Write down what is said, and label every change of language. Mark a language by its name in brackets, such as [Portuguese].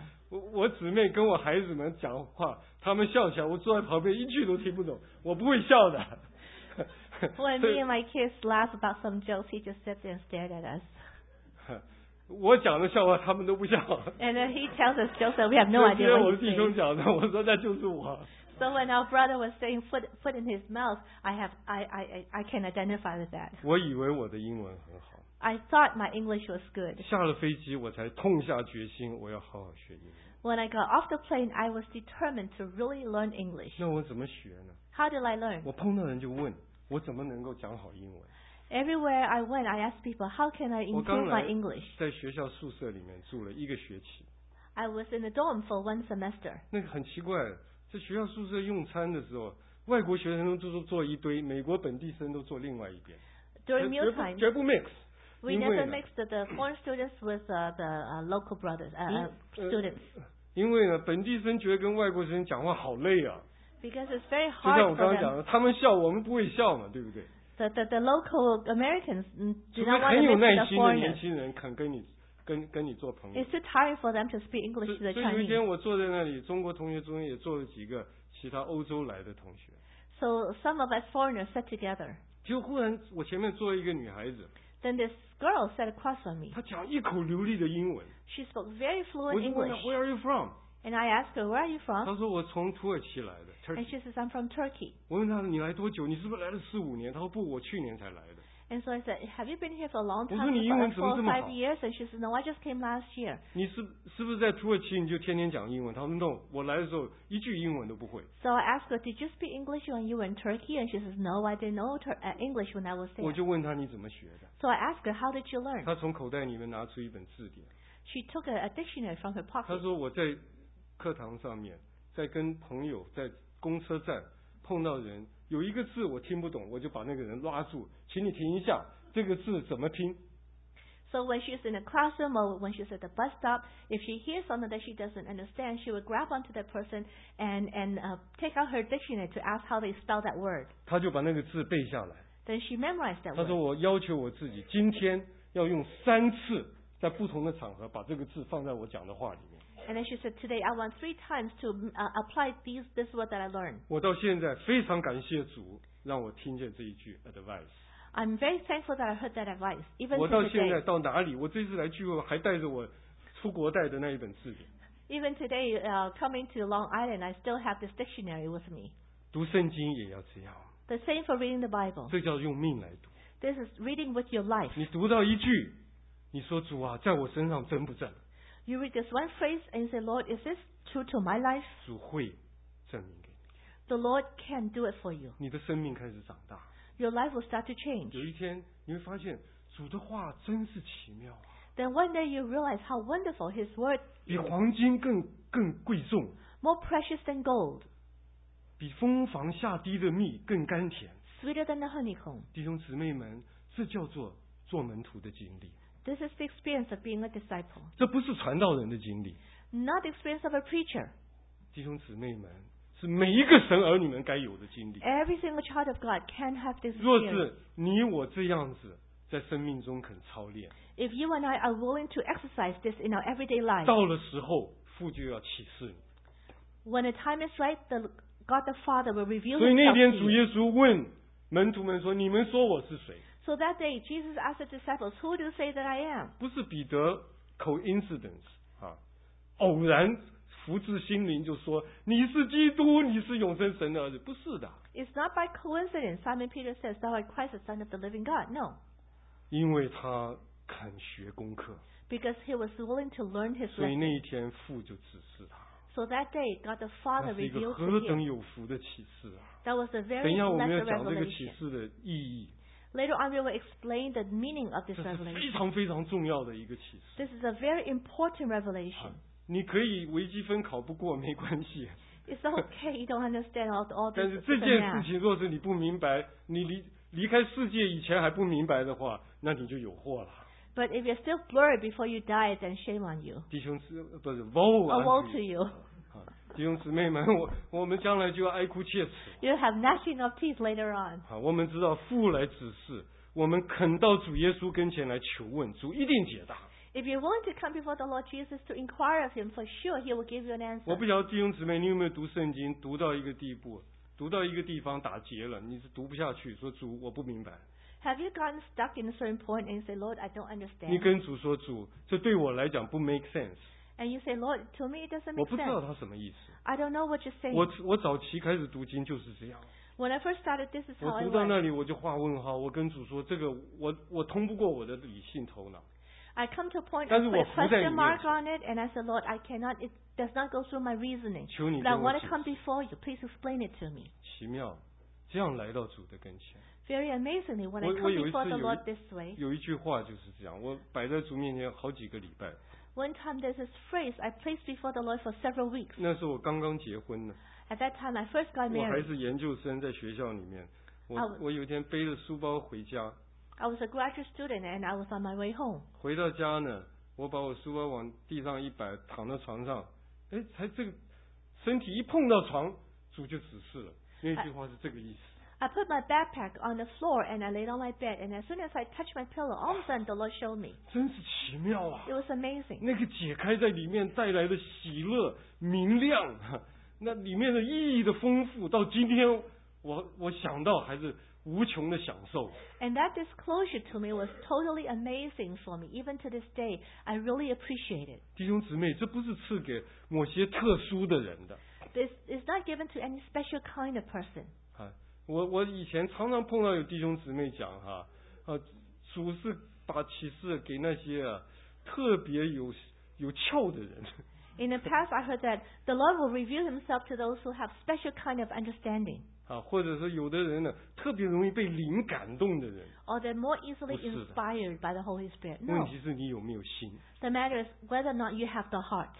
[Chinese] 我姊妹跟我孩子们讲话，他们笑起来，我坐在旁边一句都听不懂，我不会笑的。 [English] When me and my kids laugh about some jokes, he just sits and stares at us. [Chinese] 我讲的笑话他们都不笑。 [English] And then he tells us jokes that we have no idea. [Chinese] 今天我弟兄讲的，我说那就是我。 [English] So when our brother was saying foot in his mouth, I can identify with that. [Chinese] 我以为我的英文很好。 [English] I thought my English was good. [Chinese] 下了飞机，我才痛下决心，我要好好学英语。 [English] When I got off the plane, I was determined to really learn English. [Chinese] 那我怎么学呢？ [English] How did I learn? [Chinese] 我碰到人就问，我怎么能够讲好英文？ [English] Everywhere I went, I asked people, how can I improve my English? [Chinese] 在学校宿舍里面住了一个学期。 [English] I was in the dorm for one semester. [Chinese] 那个很奇怪，在学校宿舍用餐的时候，外国学生都坐一堆，美国本地生都坐另外一边。 [English] During meal time, [Chinese] 绝不 mix。 [English] We never mixed the foreign students with local brothers, students. [Chinese] 因为呢，本地生觉得跟外国学生讲话好累啊。 [English] Because it's very hard. [Chinese] 就像我刚刚讲的，他们笑我们不会笑嘛，对不对？ [English] The local Americans, do not want to mix with foreigners. [Chinese] 很有耐心的年轻人肯跟你做朋友。 [English] It's too tiring for them to speak English to the Chinese. [Chinese] 所以有一天我坐在那里，中国同学中间也坐了几个其他欧洲来的同学。 [English] So some of us foreigners sat together. [Chinese] 就忽然我前面坐了一个女孩子。 [English] Then this girl sat across from me. [Chinese] 她讲一口流利的英文。 [English] She spoke very fluent English. [Chinese] 我就问她 [English] Where are you from? And I asked her, Where are you from? [Chinese] 她说我从土耳其来的。 [English] And she says, I'm from Turkey. [Chinese] 我问她你来多久？你是不是来了四五年？她说不，我去年才来的。 [English] And so I said, Have you been here for a long time? [Chinese] 我说你英文怎么这么好 [English] ？For 5 years, and she says, No, I just came last year. [Chinese] 你是不是在土耳其你就天天讲英文？她说 No, 我来的时候一句英文都不会。 [English] So I asked her, Did you speak English when you were in Turkey? And she says, No, I didn't know English when I was there. [Chinese] 我就问她你怎么学的 [English] ？So I asked her, How did you learn? [Chinese] 她从口袋里面拿出一本字典。 [English] She took a dictionary from her pocket. [Chinese] 她说我在课堂上面，在跟朋友在公车站碰到人。有一个字我听不懂，我就把那个人拉住，请你停一下，这个字怎么拼 [English] ？So when she's in a classroom or when she's at the bus stop, if she hears something that she doesn't understand, she will grab onto that person and take out her dictionary to ask how they spell that word. [Chinese] 她就把那个字背下来。 [English] Then she memorized that word. [Chinese] 她说我要求我自己今天要用三次在不同的场合把这个字放在我讲的话里面。 [English] And then she said, "Today I want three times to apply this word that I learned." [Chinese] 我到现在非常感谢主，让我听见这一句 advice. [English] I'm very thankful that I heard that advice. Even today, [Chinese] 我到现在到哪里，我这次来聚会还带着我出国带的那一本字典。 [English] Even today, coming to Long Island, I still have this dictionary with me. [Chinese] 读圣经也要这样。 [English] The same for reading the Bible. [Chinese] 这叫用命来读。 [English] This is reading with your life. [Chinese] 你读到一句，你说主啊，在我身上真不真？ [English] You read this one phrase and say, Lord, is this true to my life? [Chinese] 主会证明给你。 [English] The Lord can do it for you. [Chinese] 你的生命开始长大。 [English] Your life will start to change. [Chinese] 有一天你会发现主的话真是奇妙。 [English] Then one day you realize how wonderful His word is. [Chinese] 比黄金更贵重。 [English] More precious than gold. [Chinese] 比蜂房下滴的蜜更甘甜。 [English] Sweeter than the honeycomb. [Chinese] 弟兄姊妹们，这叫做做门徒的经历。 [English] This is the experience of being a disciple. [Chinese] 这不是传道人的经历。 [English] Not the experience of a preacher. [Chinese] 弟兄姊妹们，是每一个神儿女们该有的经历。 [English] Every single child of God can have this [Chinese] experience. 若是你我这样子在生命中肯操练。 [English] If you and I are willing to exercise this in our everyday life. [Chinese] 到了时候，父就要启示你。 [English] When the time is right, the God the Father will reveal. [Chinese] 所以那天主耶稣问门徒们说：“你们说我是谁？” [English] So that day, Jesus asked the disciples, "Who do you say that I am?" [Chinese] 不是彼得 coincidence 啊，偶然福至心灵就说你是基督，你是永生神的儿子，不是的。 [English] It's not by coincidence. Simon Peter says, "Thou art Christ, the Son of the Living God." No. [Chinese] 因为他肯学功课。 [English] Because he was willing to learn his lesson. [Chinese] 所以那一天父就指示他。 [English] So that day, God the Father revealed to him. [Chinese] 那是一个何等有福的启示啊！ [English] That was a very blessed [Chinese] revelation. 等一下，我们要讲这个启示的意义。 [English] Later on, we will explain the meaning of this revelation. [Chinese] 这是非常非常重要的一个启示。 [English] This is a very important revelation. [Chinese] 你可以微积分考不过没关系。 [English] It's okay, you don't understand all this. [Chinese] 但是这件事情，若是你不明白，你离开世界以前还不明白的话，那你就有祸了。 [English] But if you're still blurry before you die, then shame on you. [Chinese] 弟兄姊不是 woe. [English] Woe to you. [Chinese] 弟兄姊妹们，我们将来就要哀哭切齿。 [English] You have gnashing of teeth later on. [Chinese] 好，我们知道父来指示，我们肯到主耶稣跟前来求问，主一定解答。 [English] If you want to come before the Lord Jesus to inquire of Him, for sure He will give you an answer. [Chinese] 我不晓得弟兄姊妹，你有没有读圣经，读到一个地步，读到一个地方打结了，你是读不下去，说主我不明白。 [English] Have you gotten stuck in a certain point and say, Lord, I don't understand? [Chinese] 你跟主说，主，这对我来讲不 [English] make sense。 And you say, Lord, to me it doesn't make sense. [Chinese] 我不知道他什么意思。 [English] I don't know what you're saying. [Chinese] 我早期开始读经就是这样。 [English] When I first started, this is how I was. [Chinese] 我读到那里我就画问号，我跟主说这个我通不过我的理性头脑。 [English] I come to a point and put a question mark on it, and I said, Lord, I cannot. It does not go through my reasoning. [Chinese] 求你跟我解释。 [English] But when I come before you, please explain it to me. [Chinese] 奇妙，这样来到主的跟前。 [English] Very amazingly, when I come before the Lord this way, [Chinese] 有一句话就是这样，我摆在主面前好几个礼拜。 [English] One time there's this phrase I placed before the Lord for several weeks. [Chinese] 那是我刚刚结婚呢。 [English] At that time, I first got married. [Chinese] 我还是研究生，在学校里面。我有一天背着书包回家。 [English] I was a graduate student and I was on my way home. [Chinese] 回到家呢，我把我书包往地上一摆，躺在床上，哎，才这个身体一碰到床，主就指示了。那句话是这个意思。 [English] I put my backpack on the floor and I laid on my bed and as soon as I touched my pillow, all of a sudden the Lord showed me. [Chinese] 真是奇妙啊！ [English] It was amazing. [Chinese] 那个解开在里面带来的喜乐、明亮，那里面的意义的丰富，到今天我想到还是无穷的享受。 [English] And that disclosure to me was totally amazing for me. Even to this day, I really appreciate it. [Chinese] 弟兄姊妹，这不是赐给某些特殊的人的。 [English] It's not given to any special kind of person. [Chinese] 我以前常常碰到有弟兄姊妹讲哈，主是把启示给那些特别有窍的人。 [English] In the past, I heard that the Lord will reveal Himself to those who have special kind of understanding. [Chinese] 啊，或者是有的人呢，特别容易被灵感动的人。 [English] Or they're more easily inspired by the Holy Spirit. No. [Chinese] 问题是你有没有心。 [English] The matter is whether or not you have the heart.